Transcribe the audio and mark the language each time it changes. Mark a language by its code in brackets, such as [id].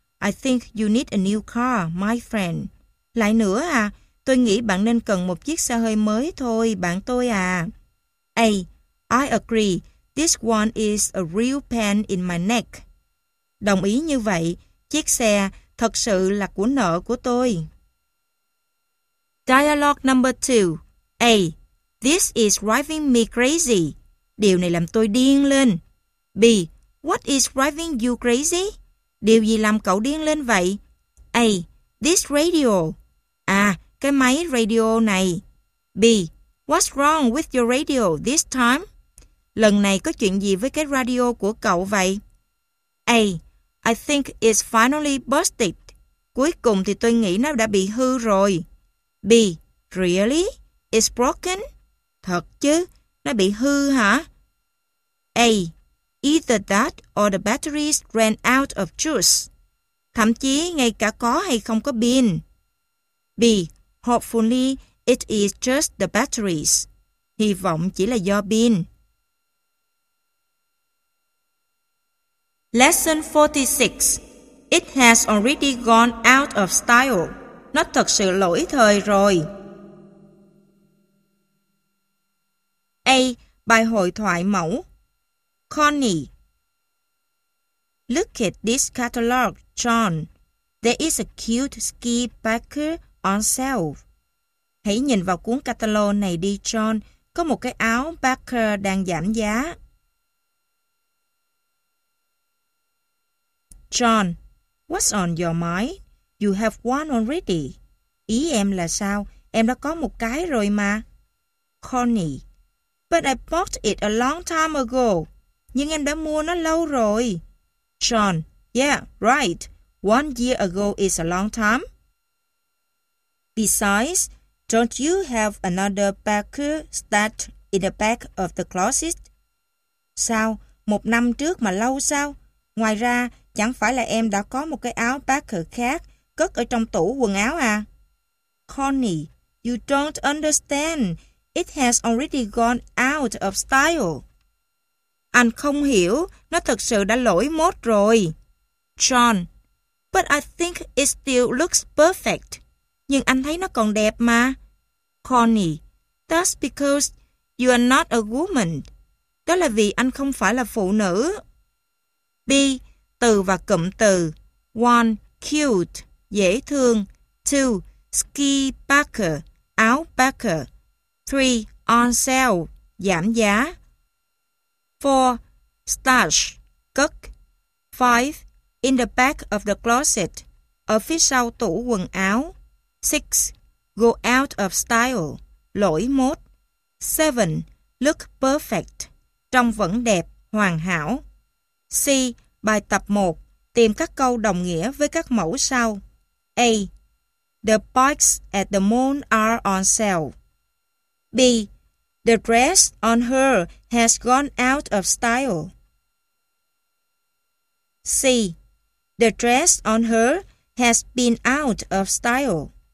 [en] I think you need a new car, my friend. [vi] Lại nữa à? Tôi nghĩ bạn nên cần một chiếc xe hơi mới thôi, bạn tôi à. [en] A. I agree. This one is a real pain in my neck. [vi] Đồng ý như vậy, chiếc xe thật sự là của nợ của tôi. [en] Dialogue number 2. A. This is driving me crazy. [vi] Điều này làm tôi điên lên. [en] B. What is driving you crazy? [vi] Điều gì làm cậu điên lên vậy? [en] A. This radio. [vi] À, cái máy radio này. [en] B. What's wrong with your radio this time? [vi] Lần này có chuyện gì với cái radio của cậu vậy? [en] A. I think it's finally busted. [vi] Cuối cùng thì tôi nghĩ nó đã bị hư rồi. [en] B. Really? It's broken? [vi] Thật chứ? Nó bị hư hả? [en] A. Either that or the batteries ran out of juice. [vi] Thậm chí ngay cả có hay không có pin. [en] B. Hopefully it is just the batteries. [vi] Hy vọng chỉ là do pin. [en] Lesson 46. It has already gone out of style. [vi] Nó thật sự lỗi thời rồi. A. Bài hội thoại mẫu. [en] Connie. Look at this catalog, John. There is a cute ski packer on sale. [vi] Hãy nhìn vào cuốn catalog này đi, John. Có một cái áo packer đang giảm giá. [en] John, what's on your mind? You have one already. [vi] Ý em là sao? Em đã có một cái rồi mà. [en] Connie, but I bought it a long time ago. [vi] Nhưng em đã mua nó lâu rồi. [en] John, yeah, right. One year ago is a long time. Besides, don't you have another packer stacked in the back of the closet? [vi] Sao? Một năm trước mà lâu sao? Ngoài ra, chẳng phải là em đã có một cái áo Parker khác cất ở trong tủ quần áo à? [en] Connie, you don't understand. It has already gone out of style. [vi] Anh không hiểu. Nó thật sự đã lỗi mốt rồi. [en] John, but I think it still looks perfect. [vi] Nhưng anh thấy nó còn đẹp mà. [en] Connie, that's because you are not a woman. [vi] Đó là vì anh không phải là phụ nữ. B. Từ và cụm từ. [en] One, cute, [vi] dễ thương. [en] Two, ski parker, [vi] áo parker. [en] Three, on sale, [vi] giảm giá. [en] Four, stash, cất. Five, in the back of the closet, [vi] ở phía sau tủ quần áo. [en] Six, go out of style, [vi] lỗi mốt. [en] Seven, look perfect, [vi] trông vẫn đẹp, hoàn hảo. C. Bài tập 1. Tìm các câu đồng nghĩa với các mẫu sau. [en] A. The bikes at the mall are on sale. B. The dress on her has gone out of style. C. The dress on her has been out of style.